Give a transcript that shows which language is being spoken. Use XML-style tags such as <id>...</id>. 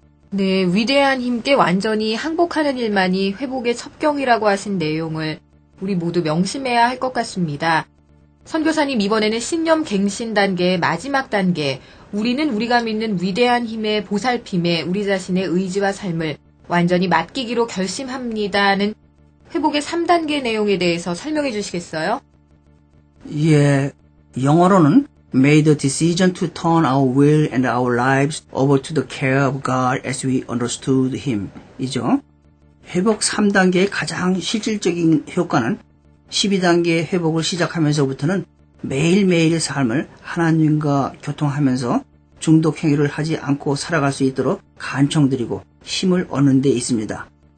<ko>네, 위대한 힘께 완전히 항복하는 일만이 회복의 첩경이라고 하신 내용을 우리 모두 명심해야 할 것 같습니다. 선교사님, 이번에는 신념 갱신 단계의 마지막 단계, 우리는 우리가 믿는 위대한 힘의 보살핌에 우리 자신의 의지와 삶을 완전히 맡기기로 결심합니다는 회복의 3단계 내용에 대해서 설명해 주시겠어요? 예, 영어로는</ko> <en>May the decision to turn our will and our lives over to the care of God as we understood him</en> <ko>이죠. 회복 3단계의 가장 실질적인 효과는 12단계의 회복을 시작하면서부터는 매일매일 삶을 하나님과 교통하면서 중독 행위를 하지 않고 살아갈 수 있도록 간청드리고 힘을 얻는 데 있습니다.</ko>